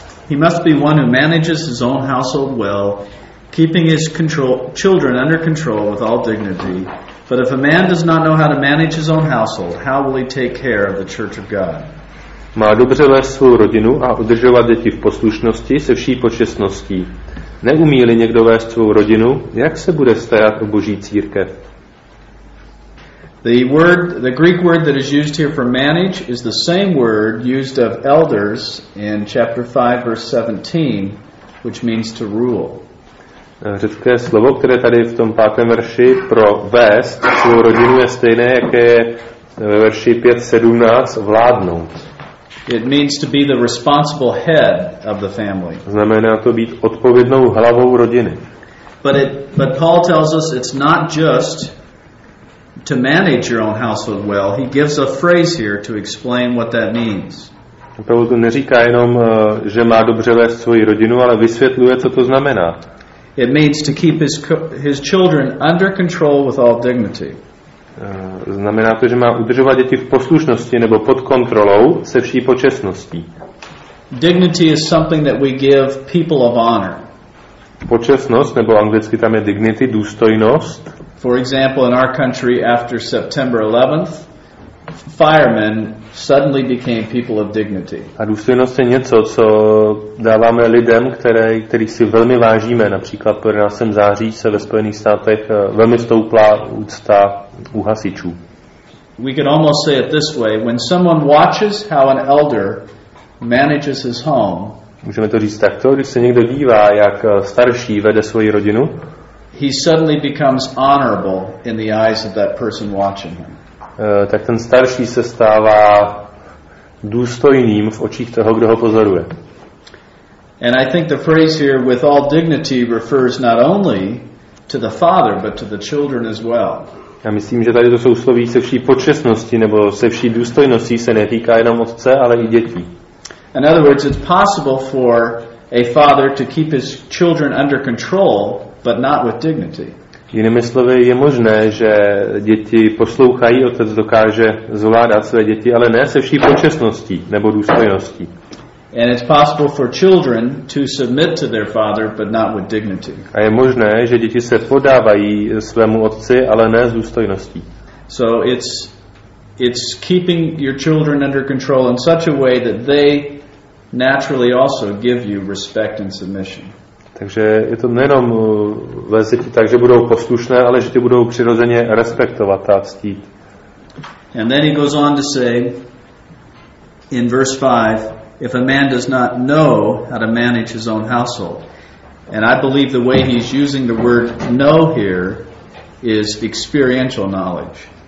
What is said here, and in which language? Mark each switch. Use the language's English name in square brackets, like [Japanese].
[English] He must be one who manages his own household well, keeping his children under control with all dignity. But if a man does not know how to manage his own household, how will he take care of the church of God? [Czech] Má dobře vést svou rodinu a udržovat děti v poslušnosti se vší počestností. Neumí-li někdo vést svou rodinu, jak se bude starat o Boží církev? [English] The Greek word that is used here for manage is the same word used of elders in chapter 5 verse 17, which means to rule. [Czech] Řecké slovo, které tady v tom pátém verši pro vést svou rodinu je stejné, jaké je ve verši 5.17 vládnout. [English] It means to be the responsible head of the family. [Czech] Znamená to být odpovědnou hlavou rodiny. [English] But Paul tells us it's not just to manage your own household well. He gives a phrase here to explain what that means. [Czech] Paul to neříká jenom, že má dobře vést svoji rodinu, ale vysvětluje, co to znamená. [English] It means to keep his children under control with all dignity. [Czech] Znamená to, že má udržovat děti v poslušnosti nebo pod kontrolou se vší počestností. [English] Dignity is something that we give people of honor. [Czech] Počestnost, nebo anglicky tam je dignity, důstojnost. [English] For example, in our country after September 11th, firemen suddenly became people of dignity. [Czech] A důstojnost je něco, co dáváme lidem, kterých si velmi vážíme. Například po 11. září se ve Spojených státech velmi stoupla úcta u hasičů. [English] We can almost say it this way: when someone watches how an elder manages his home, [Czech] můžeme to říct takto, když se někdo dívá, jak starší vede svoji rodinu, [English] he suddenly becomes honorable in the eyes of that person watching him. [Czech] Tak ten starší se stává důstojným v očích toho, kdo ho pozoruje. [English] And I think the phrase here with all dignity refers not only to the father, but to the children as well. [Czech] Já myslím, že tady to sousloví se vší počestností nebo se vší důstojností se netýká jenom otce, ale i dětí. [English] In other words, it's possible for a father to keep his children under control, but not with dignity. [Czech] Jinými slovy, je možné, že děti poslouchají, otec dokáže zvládat své děti, ale ne se vší počestností nebo důstojností. [English] And it's possible for children to submit to their father, but not with dignity. [Czech] A je možné, že děti se podávají svému otci, ale ne s důstojností. [English] So it's keeping your children under control in such a way that they naturally also give you respect and submission. [Czech] Takže je to nejenom vést děti tak, že budou poslušné, ale že tě budou přirozeně respektovat a ctít. [English] And then he goes on to say in verse 5, if a man does not know how to manage his own household. And I believe the way he's using the word know here is experiential knowledge.